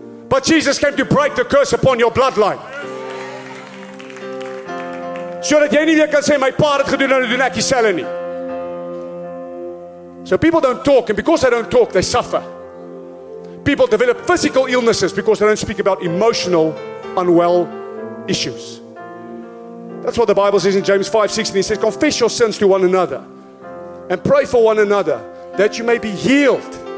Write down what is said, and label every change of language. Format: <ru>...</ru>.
<en>But Jesus came to break the curse upon your bloodline. So that</en> <af>jy nie weer kan sê, my pa het gedoen, en doen ek dieselfde nie.</af> <en>So people don't talk, and because they don't talk, they suffer. People develop physical illnesses because they don't speak about emotional, unwell issues. That's what the Bible says in James 5:16. He says, confess your sins to one another and pray for one another that you may be healed.</en>